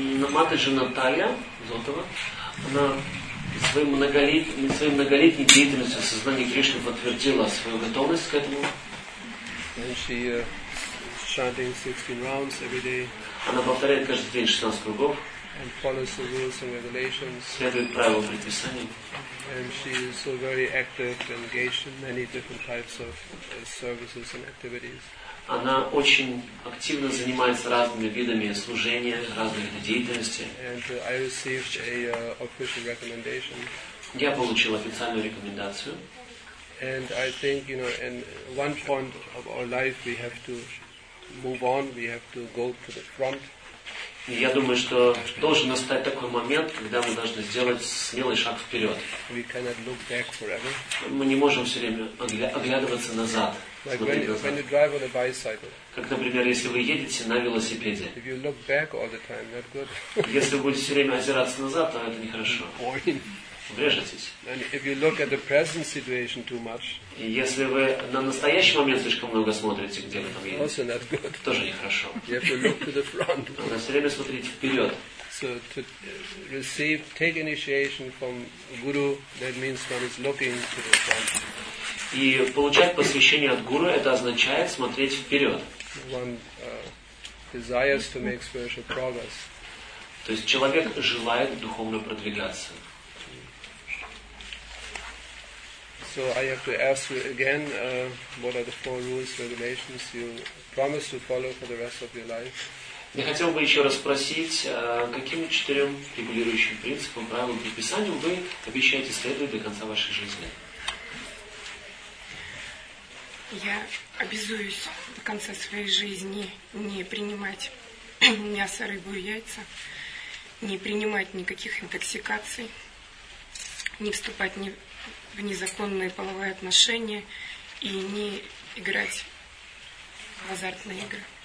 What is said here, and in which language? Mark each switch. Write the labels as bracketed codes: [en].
[ru] Матаджи Наталья Зотова, она своей многолетней деятельностью в сознании Кришны подтвердила свою готовность к этому. [en] And she chanting 16 rounds every day. [ru] Она повторяет каждый день 16 кругов. [en] And follows the rules and regulations. [ru] Следует правилам предписаний. [en] And she is so very active and engaged in many different types of services and activities. [ru] Она очень активно занимается разными видами служения, разными видами деятельности. [en] And I received a official recommendation. [ru] Я получил официальную рекомендацию. [en] And I think, you know, in one point of our life we have to move on, we have to go to the front. [ru] Я думаю, что должен настать такой момент, когда мы должны сделать смелый шаг вперед. [en] We cannot look back forever. [ru] Мы не можем все время оглядываться назад. [en] Like when you drive on a bicycle. [ru] Как, например, если вы едете на велосипеде. [en] If you look back all the time, not good. [ru] Если вы будете все время озираться назад, то это нехорошо. Врежетесь. [en] And if you look at the present situation too much. [ru] И если вы на настоящий момент слишком много смотрите, где вы там едете, тоже нехорошо. [en] You have to look to the front. [ru] Надо все время смотреть вперед. [en] So to receive, take initiation from guru, that means one is looking to the front. [ru] И получать посвящение от гуру, это означает смотреть вперед. [en] One desires to make spiritual progress. [ru] То есть человек желает духовно продвигаться. [en] So I have to ask you again, what are the four rules, regulations you promise to follow for the rest of your life? [ru] Я хотел бы еще раз спросить, каким четырем регулирующим принципам, правилам, предписаниям вы обещаете следовать до конца вашей жизни? Я обязуюсь до конца своей жизни не принимать мясо, рыбу и яйца, не принимать никаких интоксикаций, не вступать ни в незаконные половые отношения и не играть в азартные игры.